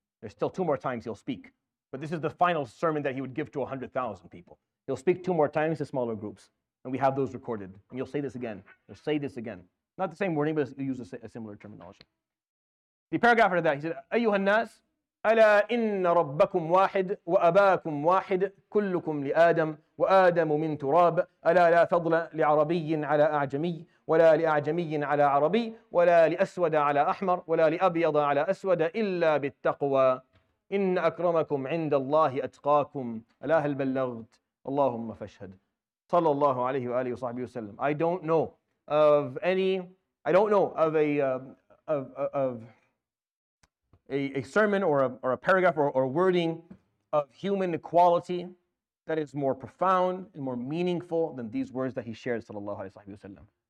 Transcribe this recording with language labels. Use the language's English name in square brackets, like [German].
[English] There's still two more times he'll speak. But this is the final sermon that he would give to 100,000 people. He'll speak two more times to smaller groups, and we have those recorded. And you'll say this again. You'll say this again. Not the same wording, but you use a similar terminology. The paragraph after that, he said, [Arabic] أيها الناس ألا إن ربكم واحد وأباكم واحد كلكم لآدم وآدم من تراب ألا لا فضل لعربي على أعجمي ولا لأعجمي على عربي ولا لأسود على أحمر ولا لأبيض على أسود إلا بالتقوى إن أكرمكم عند الله أتقاكم ألا هل بلغت اللهم فاشهد صلى الله عليه وآله وصحبه وسلم. [English] I don't know of any, I don't know of a of a sermon or a paragraph or wording of human equality that is more profound and more meaningful than these words that he shared, sallallahu alaihi wasallam.